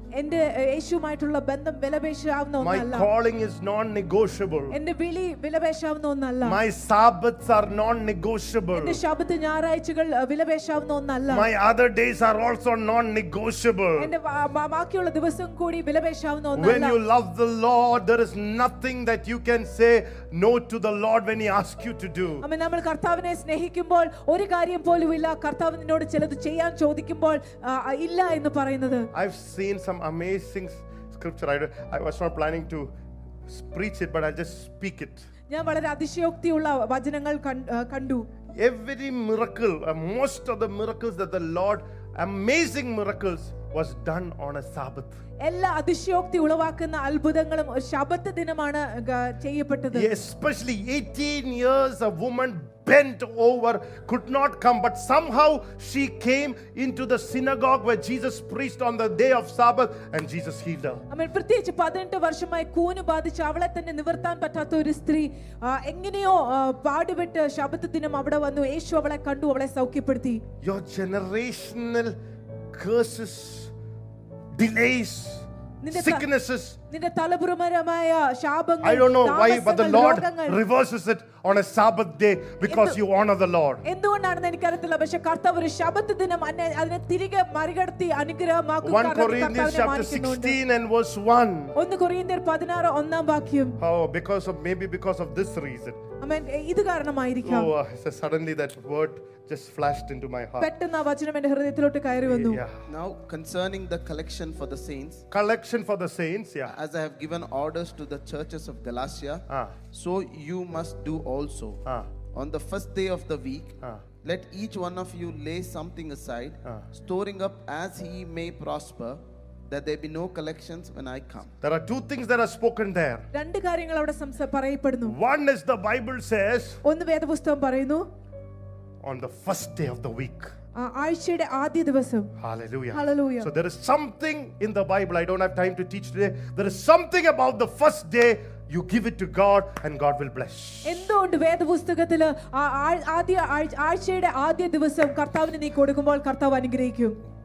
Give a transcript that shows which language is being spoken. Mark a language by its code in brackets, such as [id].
[ml] എന്റെ യേശുവുമായിട്ടുള്ള ബന്ധം വിലപേശാവുന്ന ഒന്നല്ല. [en] My calling is non-negotiable. [ml] എന്റെ വിളി വിലപേശാവുന്ന ഒന്നല്ല. [en] My Sabbaths are non-negotiable. [ml] എന്റെ ശബ്ബത്ത് ഞായറാഴ്ചകൾ വിലപേശാവുന്ന ഒന്നല്ല. [en] My other days are also non-negotiable. [ml] എന്റെ ബാക്കിയുള്ള ദിവസം കൂടി വിലപേശാവുന്ന ഒന്നല്ല. [en] When you love the Lord, there is nothing that you can say no to the Lord when he asks you to do. [ml] അമ്മേ, നമ്മൾ കർത്താവിനെ സ്നേഹിക്കുമ്പോൾ ഒരു കാര്യം പോലും ഇല്ല കർത്താവ് എന്നോട് ചിലത് ചെയ്യാൻ ചോദിക്കുമ്പോൾ ഇല്ല എന്ന് പറയുന്നത്. [en] I've seen some amazing scripture. I was not planning to preach it, but I'll just speak it. [ml] ഞാൻ വളരെ അതിശയോക്തിയുള്ള വചനങ്ങൾ കണ്ടു. [en] Every miracle, most of the miracles that the Lord, amazing miracles, was done on a Sabbath. [ml] എല്ലാ അതിശയോക്തി ഉളവാക്കുന്ന അത്ഭുതങ്ങളും ശബ്ബത്ത് ദിനമാണ് ചെയ്യപ്പെട്ടത്. [en] Especially 18 years a woman bent over, could not come, but somehow she came into the synagogue where Jesus preached on the day of Sabbath and Jesus healed her. [ml] അമ്മ പ്രത്യേകിച്ച് 18 വർഷമായി കൂന് ബാധിച്ച അവളെ തന്നെ നിവർത്താൻ പറ്റാത്ത ഒരു സ്ത്രീ എങ്ങനെയോ പാടുപെട്ട് ശബ്ബത്ത് ദിനം അവിടെ വന്നു, യേശു അവളെ കണ്ടു, അവളെ സൗഖ്യപ്പെടുത്തി. [en] Your generational curses, delays, sicknesses, [ml] തലപുരമരമായ ശാപങ്ങൾ, [en] I don't know why, but the Lord reverses it on a Sabbath day because you honor the Lord. [ml] എന്തുകൊണ്ടാണ് എനിക്ക് അറിയത്തില്ല, പക്ഷേ കർത്താവ് ഒരു ശബ്ബത്ത് ദിനം അതിനെ തിരികെ മറികടത്തി അനുഗ്രഹമാക്കുന്നു. [en] 1 Corinthians 16:1. 1 Corinthians 16:1. Oh, because of this reason. [ml] Amen. ഇത് കാരണമായിരിക്കാം. [en] Oh, so suddenly that word just flashed into my heart. [ml] പെട്ടെന്ന് ആ വചനം എന്റെ ഹൃദയത്തിലോട്ട് കയറി വന്നു. [en] Now concerning the collection for the saints. Collection for the saints. Yeah. As I have given orders to the churches of Galatia, so you must do also. On the first day of the week, let each one of you lay something aside, storing up as he may prosper, that there be no collections when I come. There are two things that are spoken there. [ml] രണ്ട് കാര്യങ്ങൾ അവിടെ പറയപ്പെടുന്നു. [en] One is the Bible says. [ml] ഒന്ന് വേദപുസ്തകം പറയുന്നു. [en] On the first day of the week. [ml] ആഴ്ചയുടെ ആദ്യ ദിവസം. [en] Hallelujah. So there is something in the Bible, I don't have time to teach today, there is something about the first day. You give it to God and God will bless. [ml] എന്തുകൊണ്ട് വേദപുസ്തകത്തിൽ ആദ്യ ആഴ്ചയുടെ ആദ്യ ദിവസം കർത്താവിന് നീ കൊടുക്കുമ്പോൾ കർത്താവ് അനുഗ്രഹിക്കും.